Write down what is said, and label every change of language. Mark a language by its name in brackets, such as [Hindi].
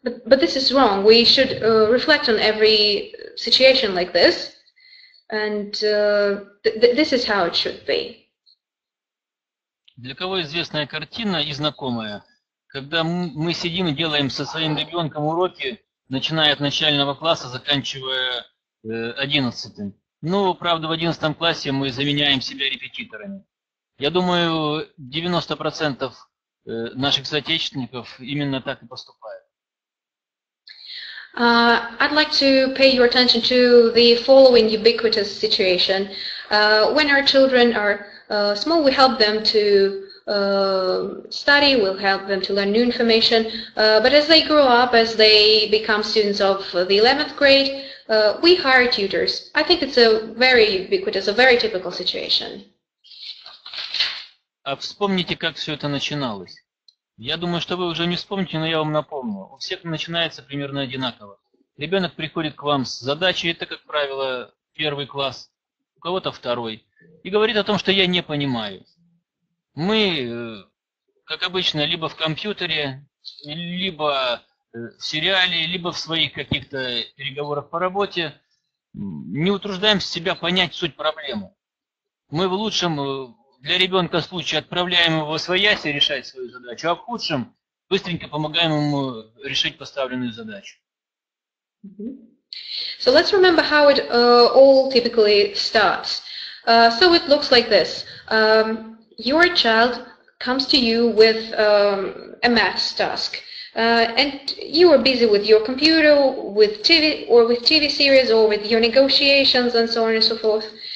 [English] But this is wrong. We should reflect on every situation like this. This is how it should be. [Russian] Для кого известная картина и знакомая? Когда мы сидим и делаем со своим ребенком уроки, начиная от начального класса, заканчивая 11-м. Ну, правда, в 11-м классе мы заменяем себя репетиторами. Я думаю, 90% наших соотечественников именно так и поступают. [English] I'd like to pay your attention to the following ubiquitous situation. When our children are small, we help them to study, we'll help them to learn new information. But as they grow up, as they become students of the 11th grade, we hire tutors. I think it's a very ubiquitous, a very typical situation. [Russian] А вспомните, как все это начиналось. Я думаю, что вы уже не вспомните, но я вам напомню. У всех начинается примерно одинаково. Ребенок приходит к вам с задачей, это, как правило, первый класс, у кого-то второй, и говорит о том, что я не понимаю. Мы, как обычно, либо в компьютере, либо в сериале, либо в своих каких-то переговорах по работе, не утруждаем себя понять суть проблемы. Мы в лучшем... Для ребенка случай отправляем его в свояси решать свою задачу, а в худшем быстренько помогаем ему решить поставленную задачу. [English] So let's remember how it all typically starts. So it looks like this. Your child comes to you with a maths task, and you are busy with your computer, with TV or with TV series or with your negotiations and so on and so forth.